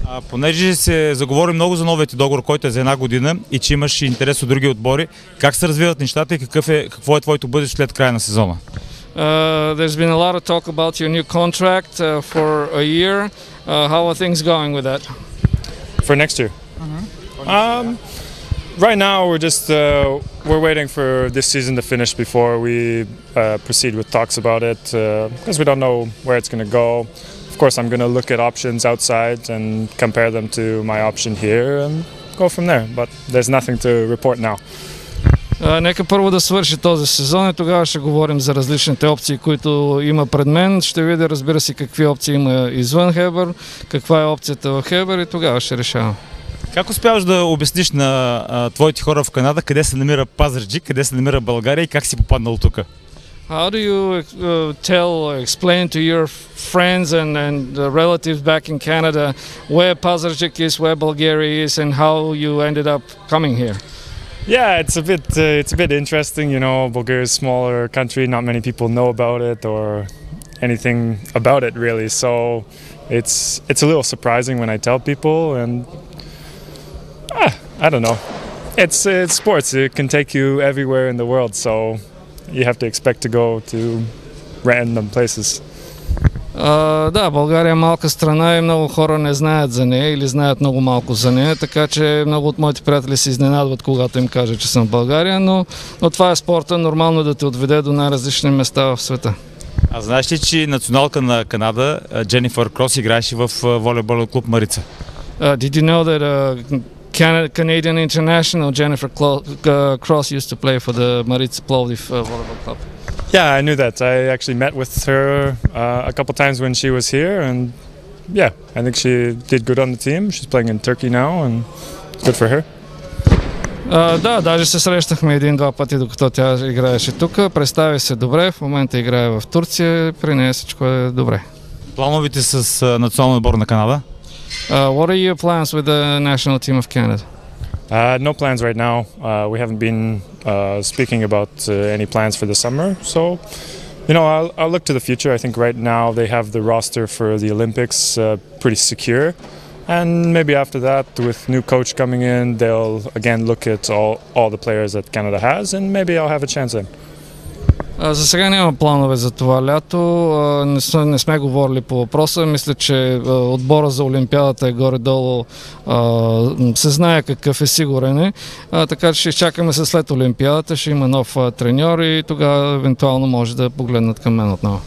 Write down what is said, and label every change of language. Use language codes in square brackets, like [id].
[bg] Понеже се заговори много за новият договор, който е за една година и че имаш интерес от други отбори, как се развиват нещата и какво е твоето бъдеще след края на сезона? [en] There's been a lot of talk about your new contract for a year. How are things going with that? For next year. Uh-huh. Right now we're just we're waiting for this season to finish before we proceed with talks about it, because we don't know where it's going to go. Of course, I'm going to look at options outside and compare them to my option here and go from there, but there's nothing to report now. [bg] Нека първо да свърши този сезон и тогава ще говорим за различните опции, които има пред мен. Ще видя, разбира се, какви опции има извън Хебър, каква е опцията в Хебър и тогава ще решавам. Как успяваш да обясниш на твоите хора в Канада къде се намира Пазарджик, къде се намира България и как си попаднал тук? [en] How do you explain to your friends and relatives back in Canada where Pazarjik is, where Bulgaria is, and how you ended up coming here? Yeah, it's a bit interesting, you know. Bulgaria is a smaller country, not many people know about it or anything about it really. So it's a little surprising when I tell people, and I don't know. It's sports. It can take you everywhere in the world, so you have to expect to go to random places. [bg] Да, България е малка страна и много хора не знаят за нея или знаят много малко за нея, така че много от моите приятели се изненадват, когато им кажа, че съм в България, но това е спорта, нормално да те отведе до най-различни места в света. А знаеш ли, че националка на Канада, Дженифър Крос, играеше в волейболен клуб Марица? [en] Did you know that Canadian international Jennifer Cross used to play for the Maritza Plovdiv volleyball club. Yeah, I knew that. I actually met with her a couple times when she was here, and yeah, I think she did good on the team. She's playing in Turkey now, and good for her. [bg] Да, даже се срещнахме един-два пъти, докато тя играеше тук. Представи се добре, в момента играе в Турция, при нея всичко е добре. Плановите с националния отбор на Канада? [en] What are your plans with the national team of Canada? No plans right now. We haven't been speaking about any plans for the summer. So, you know, I'll look to the future. I think right now they have the roster for the Olympics pretty secure. And maybe after that, with new coach coming in, they'll again look at all the players that Canada has, and maybe I'll have a chance then. [bg] За сега няма планове за това лято. Не сме говорили по въпроса. Мисля, че отбора за Олимпиадата е горе-долу. Се знае какъв е, сигурен е. Така че ще изчакаме се след Олимпиадата. Ще има нов треньор и тогава евентуално може да погледнат към мен отново.